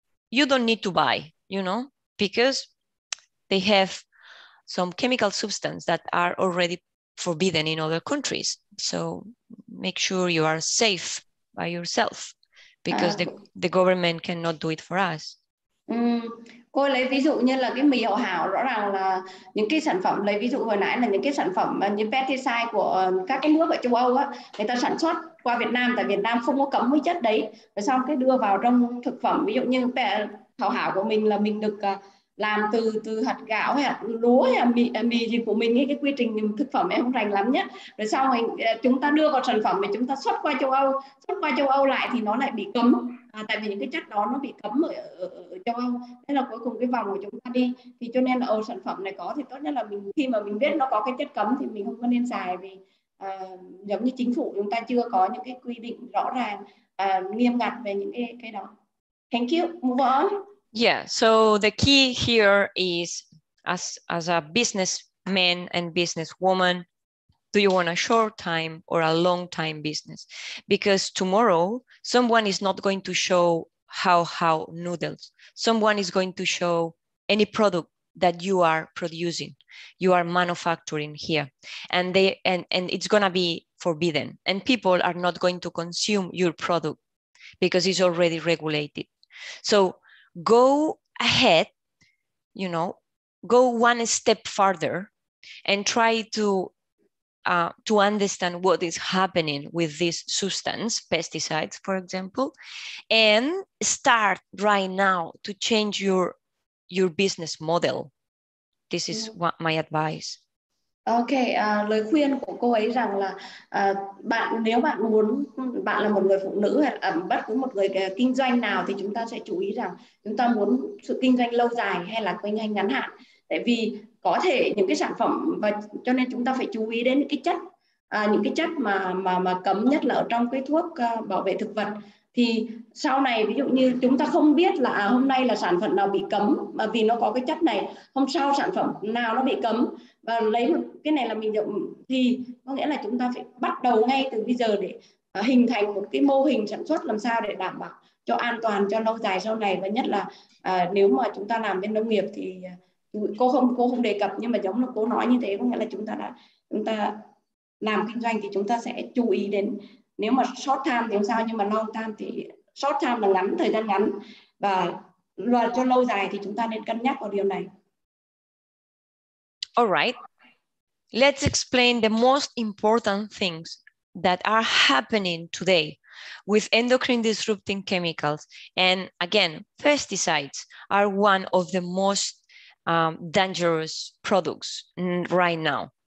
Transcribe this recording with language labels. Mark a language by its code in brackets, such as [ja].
[en] You don't need to buy, you know, because they have some chemical substance that are already forbidden in other countries. So make sure you are safe by yourself, because the government cannot do it for us. [vi] Cô lấy ví dụ như là cái mì hậu hảo, rõ ràng là những cái sản phẩm, lấy ví dụ hồi nãy là những cái sản phẩm như pesticide của các cái nước ở châu Âu á, người ta sản xuất qua Việt Nam, tại Việt Nam không có cấm cái chất đấy, và sau cái đưa vào trong thực phẩm, ví dụ như hậu hảo của mình là mình được làm từ hạt gạo hay hạt lúa hay mì gì của mình, cái quy trình thực phẩm em không rành lắm nhé, rồi sau chúng ta đưa vào sản phẩm mà chúng ta xuất qua châu Âu lại thì nó lại bị cấm. tại vì những cái chất đó nó bị cấm ở châu Âu, nên là cuối cùng cái vòng của chúng ta đi, thì cho nên là sản phẩm này có thì tốt nhất là mình khi mà mình biết nó có cái chất cấm thì mình không có nên xài, vì giống như chính phủ chúng ta chưa có những cái quy định rõ ràng nghiêm ngặt về những cái đó. [en] Thank you, move on. Yeah, so the key here is as a businessman and businesswoman, do you want a short time or a long time business? Because tomorrow, someone is not going to show how noodles. Someone is going to show any product that you are producing, you are manufacturing here, and it's gonna be forbidden. And people are not going to consume your product because it's already regulated. So go ahead, you know, go one step farther and try to understand what is happening with this substance, pesticides, for example, and start right now to change your business model. This is what my advice. [vi] Okay, lời khuyên của cô ấy rằng là bạn, nếu bạn muốn, bạn là một người phụ nữ hay bất cứ một người kinh doanh nào, thì chúng ta sẽ chú ý rằng chúng ta muốn sự kinh doanh lâu dài hay là kinh doanh ngắn hạn. Tại vì có thể những cái sản phẩm, và cho nên chúng ta phải chú ý đến những cái chất mà cấm, nhất là ở trong cái thuốc bảo vệ thực vật. Thì sau này ví dụ như chúng ta không biết là hôm nay là sản phẩm nào bị cấm mà vì nó có cái chất này, hôm sau sản phẩm nào nó bị cấm và lấy cái này là mình dùng, thì có nghĩa là chúng ta phải bắt đầu ngay từ bây giờ để hình thành một cái mô hình sản xuất làm sao để đảm bảo cho an toàn, cho lâu dài sau này. Và nhất là nếu mà chúng ta làm bên nông nghiệp thì cô không đề cập, nhưng mà giống như cô nói như thế, có nghĩa là chúng ta làm kinh doanh thì chúng ta sẽ chú ý đến, nếu mà [en] short time [vi] thì sao, nhưng mà [en] long time [vi] thì short time là ngắn, thời gian ngắn, và luật cho lâu dài thì chúng ta nên cân nhắc vào điều này. [en] All right, let's explain the most important things that are happening today with endocrine disrupting chemicals. And again, pesticides are one of the most dangerous products right now.